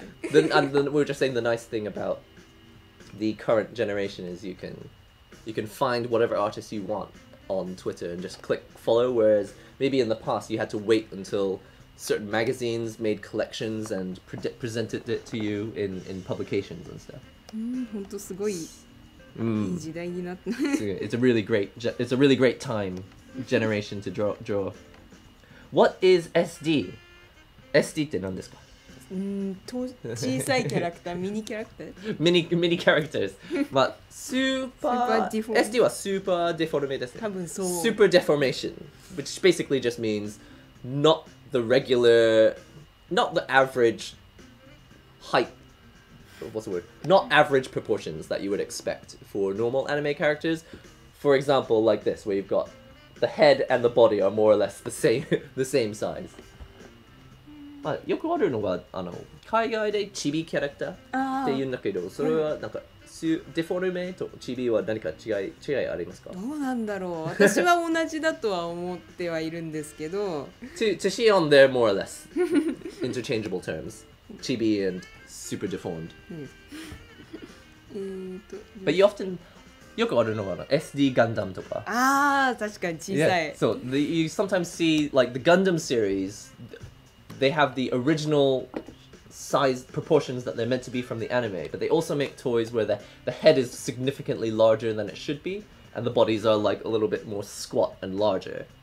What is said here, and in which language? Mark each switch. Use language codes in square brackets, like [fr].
[en] Then, and then we were just saying the nice thing about the current generation is you can find whatever artist you want on Twitter and just click follow. Whereas maybe in the past you had to wait until certain magazines made collections and presented it to you in publications and stuff. [ja] 本当すごい、いい時代になった。 [en] It's a really great time generation to draw. What is SD? [ja] SD って何ですか？小さいキャラクター、ミニキャラクター。ミニキャラクターです。まあ、スーパー、SD はスーパーデフォルメですね。多分そう。スーパーデフォルメーション。 [en] Which basically just means not the regular, not the average height. What's the word? Not average proportions that you would expect for normal anime characters. For example, like this, where you've gotThe head and the body are more or less the same size. [ja] まあ、よくあるのが、あの、海外でチビキャラクターって言うんだけど、それはなんか、デフォルメとチビは何か違いありますか？どうなんだろう。私は同じだとは思ってはいるんですけど。 [en] To Shion, they're more or less interchangeable terms. Chibi and super deformed. But you often... [ja] よくあるのかな、 SD ガンダムとか。ああ、確かに小さい。 [en] Yeah. So, you sometimes see, like, the Gundam series, they have the original size proportions that they're meant to be from the anime, but they also make toys where the head is significantly larger than it should be, and the bodies are, like, a little bit more squat and larger.